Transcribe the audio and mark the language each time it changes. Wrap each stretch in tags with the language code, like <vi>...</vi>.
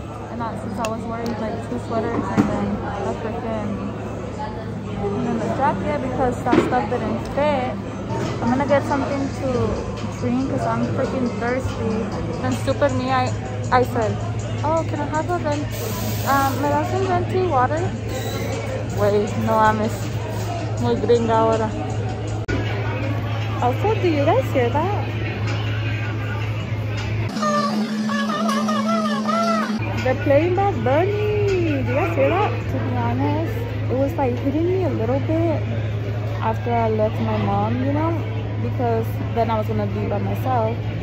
<en>And not since I was wearing like two sweaters and then the freaking jacket because that stuff didn't fit. I'm gonna get something to drink because I'm freaking thirsty. And super me, I said, oh, can I have a venti?</en> <es>Me das un venti water?</es> <en>Wait, no, I'm</en> <es>muy gringa ahora.</es> <en>Also, do you guys hear that? They're playing Bad Bunny. Do you guys hear that? To be honest, it was like hitting me a little bit after I left my mom, you know, because then I was gonna be by myself.</en>